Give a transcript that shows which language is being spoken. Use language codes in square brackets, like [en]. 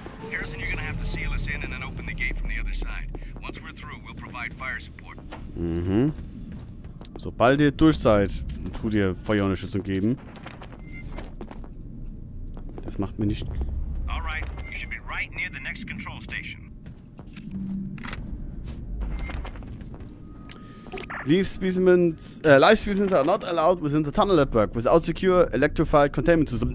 [en] Harrison, you're gonna have to seal us in and then open the gate from the other side. Once we're through, we'll provide fire support. Mhm. [de] Sobald ihr durch seid, tut ihr Feuerunterstützung geben. Das macht mir nicht. [en] Alright, you should be right near the next control station. Leaf specimens, live specimens are not allowed within the tunnel network without secure electrified containment system.